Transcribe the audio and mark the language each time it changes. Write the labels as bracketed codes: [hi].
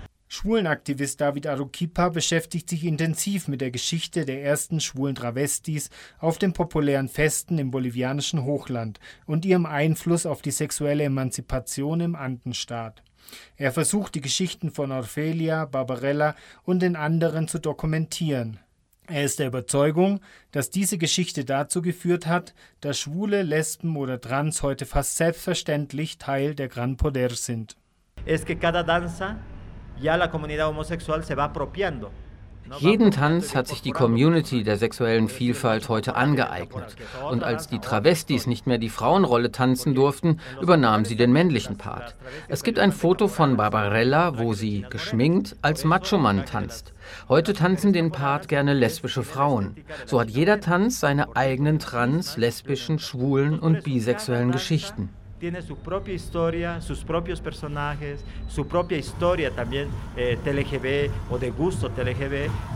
[de] Schwulenaktivist David Arequipa beschäftigt sich intensiv mit der Geschichte der ersten schwulen Travestis auf den populären Festen im bolivianischen Hochland und ihrem Einfluss auf die sexuelle Emanzipation im Andenstaat. Er versucht, die Geschichten von Orfelia, Barbarella und den anderen zu dokumentieren. Er ist der Überzeugung, dass diese Geschichte dazu geführt hat, dass Schwule, Lesben oder Trans heute fast selbstverständlich Teil der Gran Poder sind. [es] Es que cada danza ya la comunidad homosexual se va apropiando. [de] Jeden Tanz hat sich die Community der sexuellen Vielfalt heute angeeignet. Und als die Travestis nicht mehr die Frauenrolle tanzen durften, übernahmen sie den männlichen Part. Es gibt ein Foto von Barbarella, wo sie, geschminkt, als Macho-Mann tanzt. Heute tanzen den Part gerne lesbische Frauen. So hat jeder Tanz seine eigenen trans-, lesbischen, schwulen und bisexuellen Geschichten. [es] Tiene su propia historia, sus propios personajes, su propia historia también TLGB o de gusto TLGB.